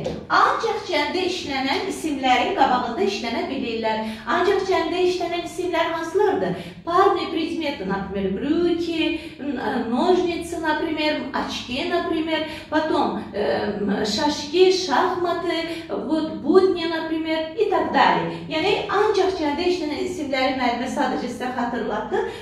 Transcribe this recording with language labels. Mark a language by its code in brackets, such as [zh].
[az] Ancaq cəmdə işlənən isimlərin qabağında işlənə bilirlər. Ancaq cəmdə işlənən isimlər hansılardır? [ru] Парные предметы, например, брюки, ножницы, например, очки, например, потом шашки, шахматы, вот будни, например, и так далее. [az] Yəni, ancaq cəmdə işlənən isimləri müəllimə sadəcə sizə xatırlattı.